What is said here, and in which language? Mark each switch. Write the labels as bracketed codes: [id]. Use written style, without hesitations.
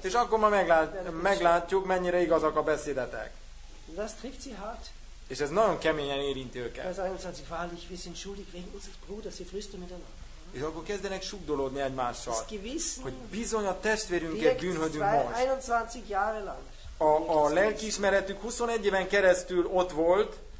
[hu] És akkor ma meglátjuk, mennyire igazak a beszédetek. [de] Das trifft sie hart. [hu] És ez nagyon keményen érinti őket. [de] Vers 21, wahrlich, wir sind schuldig wegen unseres Bruders, sie flüstern miteinander. [hu] És akkor kezdenek sugdolódni egymással, hogy bizony a testvérünket bűnhödünk most. [de] 21 Jahre lang. [hu] A lelkiismeretük 21 éven keresztül ott volt.